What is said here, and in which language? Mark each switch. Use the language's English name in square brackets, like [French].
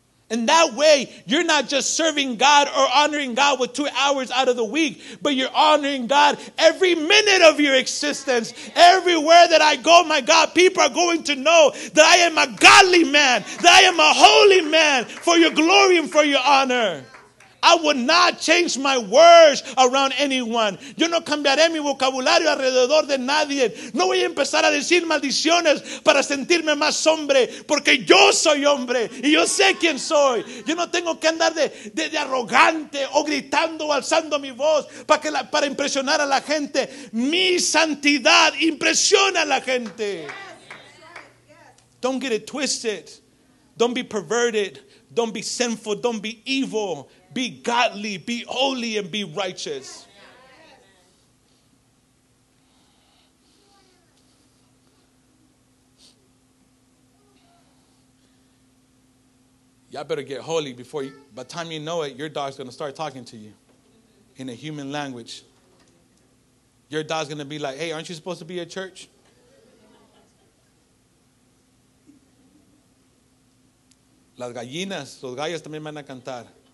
[English] And that way, you're not just serving God or honoring God with 2 hours out of the week, but you're honoring God every minute of your existence. Everywhere that I go, my God, people are going to know that I am a godly man, that I am a holy man for your glory and for your honor. I would not change my words around anyone. [Spanish] Yo no cambiaré mi vocabulario alrededor de nadie. No voy a empezar a decir maldiciones para sentirme más hombre. Porque yo soy hombre y yo sé quién soy. Yo no tengo que andar de arrogante o gritando o alzando mi voz para impresionar a la gente. Mi santidad impresiona a la gente. [English] Don't get it twisted. Don't be perverted. Don't be sinful. Don't be evil. Be godly, be holy, and be righteous. Yes. Y'all better get holy before you, by the time you know it, your dog's going to start talking to you in a human language. Your dog's going to be like, hey, aren't you supposed to be at church? [Spanish] Las gallinas, los gallos también van a cantar.